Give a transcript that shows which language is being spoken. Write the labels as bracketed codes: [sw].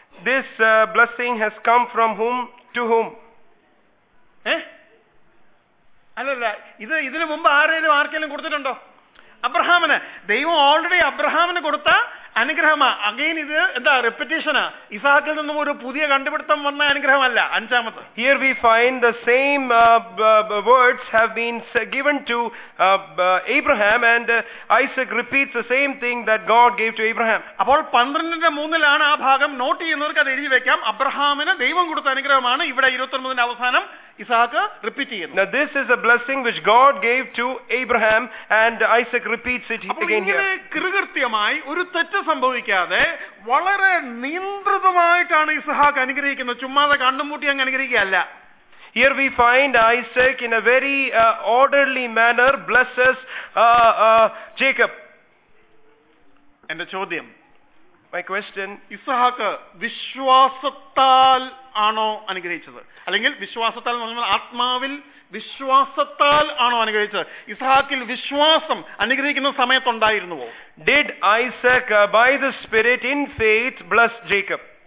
[en] This blessing has come from whom to whom? [ml] അല്ലല്ല, ഇത് ഇതിനു മുമ്പ് ആരെങ്കിലും ആർക്കെങ്കിലും കൊടുത്തിട്ടുണ്ടോ? അബ്രഹാമിന്. ദൈവം ഓൾറെഡി അബ്രഹാമിന് കൊടുത്ത അനുഗ്രഹമാ. അഗൈൻ ഇത് എന്താ റെപ്പിറ്റേഷനാ. ഇസാക്കിൽ നിന്നും ഒരു പുതിയ കണ്ടുപിടുത്തം വന്ന അനുഗ്രഹമല്ല അഞ്ചാമത്. [en] Here we find the same words have been given to Abraham and Isaac repeats the same thing that God gave to Abraham. [ml] അപ്പോൾ 12:3 ആ ഭാഗം നോട്ട് ചെയ്യുന്നവർക്ക് അത് എഴുതി വെക്കാം. അബ്രഹാമിന് ദൈവം കൊടുത്ത അനുഗ്രഹമാണ് ഇവിടെ 21 അവസാനം ഇസാക്ക് റിപ്പീറ്റ് ചെയ്യുന്നത്. [en] Now this is a blessing which God gave to Abraham and Isaac repeats it again here. [ml] അങ്ങനെ കൃതകൃത്യമായി ഒരു തെറ്റ് സംഭവിക്കാതെ വളരെ നിയന്ത്രിതമായിട്ടാണ് ഇസഹാക്ക് അനുഗ്രഹിക്കുന്നത്. ചുമ്മാതെ കണ്ണുമൂട്ടി അങ്ങ് അനുഗ്രഹിക്കുകയല്ല. [en] Here we find Isaac in a very orderly manner blesses Jacob. [ml] എന്റെ ചോദ്യം, [en] my question, [ml] ഇസഹാക്ക് വിശ്വാസത്താൽ ആണോ അനുഗ്രഹിച്ചത്? അല്ലെങ്കിൽ വിശ്വാസത്താൽ എന്ന് പറഞ്ഞാൽ ആത്മാവിൽ വിശ്വാസത്താൽ ആണോ അനുഗ്രഹിച്ചത്? ഇസഹാക്കിൽ വിശ്വാസം അനുഗ്രഹിക്കുന്ന സമയത്തുണ്ടായിരുന്നുവോ? [en] Did Isaac by the spirit in faith bless Jacob?